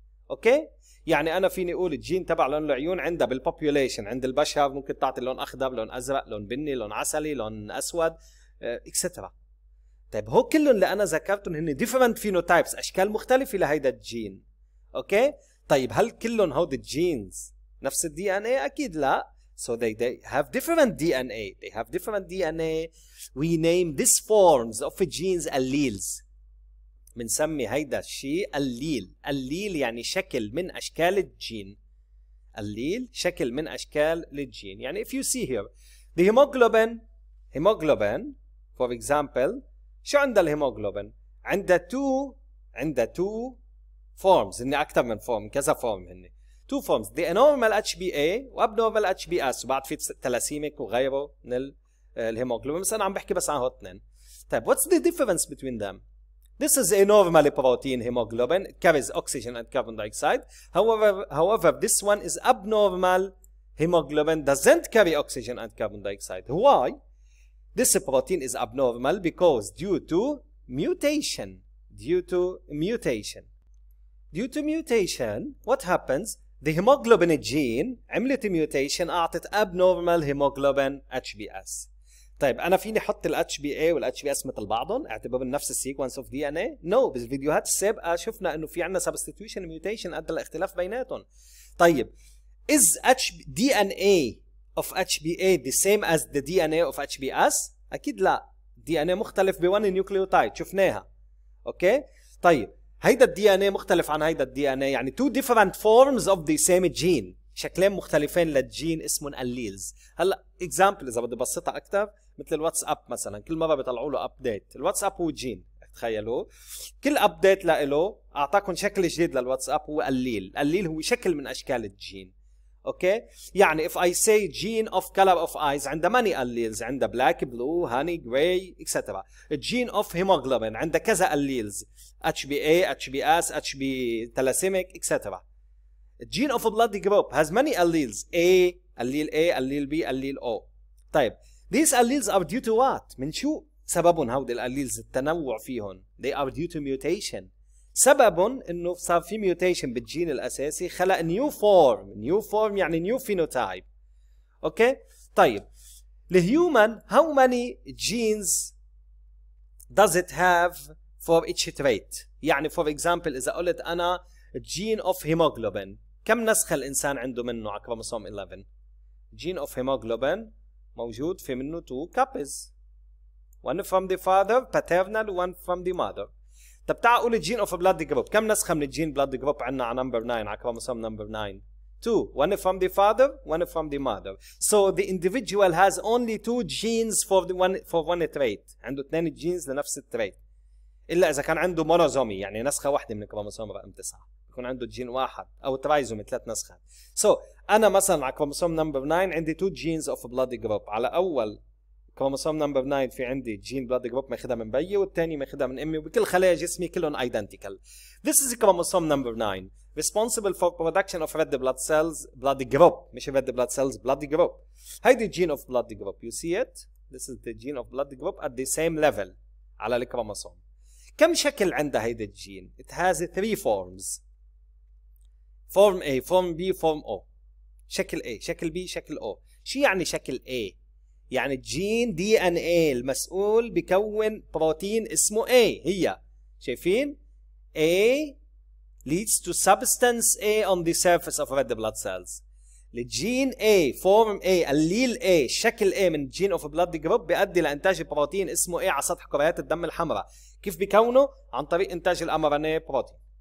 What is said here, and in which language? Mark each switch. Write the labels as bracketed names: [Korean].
[Arabic] اوكي يعني انا فيني اقول الجين تبع لون العيون عندها بالpopulation عند البشر ممكن تعطي لون اخضر لون ازرق لون بني لون عسلي لون اسود etc. طيب هو كلهم اللي انا ذكرتهم هن different phenotypes اشكال مختلفة لهيدا الجين. اوكي طيب هل كلهم هودي الجينز نفس الدي ان اي؟ اكيد لا. [English] So they have different DNA. They have different DNA. We name these forms of genes alleles. [Arabic] بنسمي هيدا الشيء الليل. الليل يعني شكل من اشكال الجين. الليل شكل من اشكال الجين. [English] يعني if you see here the hemoglobin. Hemoglobin for example. [Arabic] شو عند الهيموغلوبين؟ عنده [English] two forms. [Arabic] إني أكثر من form. كذا form هني. [English] Two forms. The normal HbA وabnormal HbS. وبعد في تلاسيميك وغيره من الهيموغلوبين. بس أنا عم بحكي بس عن هاتنين. طيب what's the difference between them? This is a normal protein hemoglobin. It carries oxygen and carbon dioxide. However, this one is abnormal hemoglobin. Doesn't carry oxygen and carbon dioxide. Why? This protein is abnormal because due to mutation. Due to mutation, what happens? The hemoglobin gene [Arabic] عملت [English] mutation [Arabic] أعطت [English] abnormal hemoglobin HBS. [Arabic] طيب أنا فيني حط ال HBA وال HBS مثل بعضهم اعتبرهم نفس [English] sequence of DNA؟ [Arabic] No. بس فيديوهات السابقة شفنا إنه في عنا substitution mutation أدى لاختلاف بيناتهم. [English] طيب is DNA of HBA the same as the DNA of HBS؟ [Arabic] أكيد لا. DNA مختلف ب [English] one nucleotide [Arabic] شفناها. أوكي؟ طيب هيدا الدي ان اي مختلف عن هيدا الدي ان اي، يعني [English] two different forms of the same gene، [Arabic] شكلين مختلفين للجين اسمهم alleles. هلا اكزامبل اذا بدي بسطها اكثر مثل الواتساب مثلا، كل مره بيطلعوا له ابديت، الواتساب هو جين، تخيلوا كل ابديت له اعطاكم شكل جديد للواتساب هو الليل، الليل هو شكل من اشكال الجين. [English] Okay? يعني if I say gene of color of eyes [Arabic] عنده [English] many alleles، عنده black, blue, honey, gray, etc. gene of hemoglobin عنده كذا alleles. HbA, HbS, Hb thalassemic, etc. gene of blood group has many alleles. A, allele A, allele B, allele O. طيب، these alleles are due to what؟ [Arabic] من شو سببهم هودي الalleles التنوع فيهم؟ [English] They are due to mutation. [Arabic] سبب انه صار في ميوتيشن بالجين الاساسي خلق نيو فورم. نيو فورم يعني نيو فينوتايب. اوكي طيب [English] الهيومن how many genes does it have for each trait؟ يعني for example إذا قلت أنا gene of hemoglobin [Arabic] كم نسخة الإنسان عنده منه على كروموسوم 11؟ [English] gene of hemoglobin [Arabic] موجود في منه [English] 2 copies one from the father paternal one from the mother. [Arabic] طب تعال قول gene of blood group كم نسخة من gene blood group عندنا على number 9 على كروموسوم number 9؟ 2 [English] one from the father one from the mother. So the individual has only 2 genes for the one for one trait. [Arabic] عنده 2 genes لنفس التريت إلا إذا كان عنده monosomy يعني نسخة واحدة من كروموسوم رقم 9 يكون عنده جين واحد أو ترايزومي 3 نسخة. [English] So [Arabic] أنا مثلا على كروموسوم [English] number 9 عندي 2 genes of blood group. [Arabic] على أول كروموسوم number 9 في عندي جين blood group ماخذها من بيي والثاني ماخذها من أمي وكل خلايا جسمي كلهم identical. [English] This is chromosome number 9 responsible for production of red blood cells blood group. مش red blood cells blood group. هاي the gene of blood group. You see it? This is the gene of blood group at the same level [Arabic] على الكروموسوم. كم شكل عندها هيدا الجين؟ [English] It has three forms. Form A, Form B, Form O. [Arabic] شكل A, شكل B, شكل O. شو يعني شكل A؟ يعني الجين DNA المسؤول بكون بروتين اسمه A. هي شايفين؟ [English] A leads to substance A on the surface of red blood cells. [Arabic] الجين A, Form A, الليل A, شكل A من الجين of blood group بيؤدي لإنتاج بروتين اسمه A على سطح كريات الدم الحمراء. كيف بيكونه؟ عن طريق إنتاج الأمرنة بروتين.